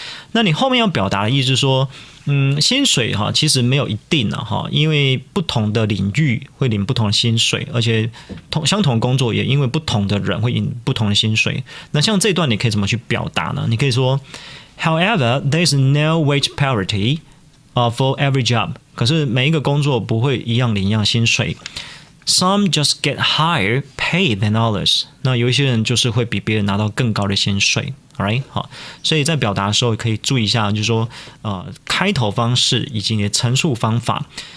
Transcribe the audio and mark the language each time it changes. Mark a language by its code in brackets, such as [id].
[zh] 那你后面要表达的意思是说，薪水其实没有一定的，因为不同的领域会领不同的薪水，而且相同的工作也因为不同的人会领不同的薪水。那像这段你可以怎么去表达呢？你可以说 [en] However, there is no wage parity for every job. [zh] 可是每一个工作不会一样领一样薪水。 [en] Some just get higher pay than others. [zh] 那有一些人就是会比别人拿到更高的薪水。Alright, 好，所以在表达的时候可以注意一下，就是说，开头方式以及你的陈述方法。